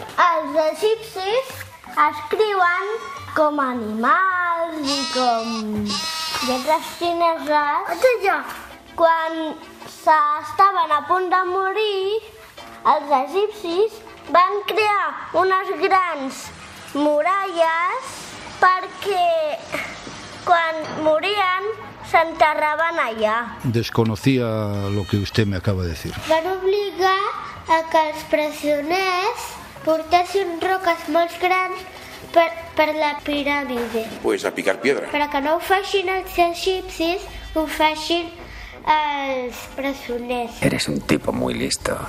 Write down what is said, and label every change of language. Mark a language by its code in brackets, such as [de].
[ca] Els egipcis escriuen com animals i com lletres xineses. Quan s'estaven a punt de morir, els egipcis van crear unes grans muralles perquè quan morien s'enterraven allà. [es] Desconocía lo que usted me acaba de decir. [ca] Van obligar a que els presoners portessin roques molt grans per la piràmide. [es] Pues a picar piedra. [ca] Però que no ho facin els egipcis, ho facin els presoners. [es] Eres un tipo muy listo.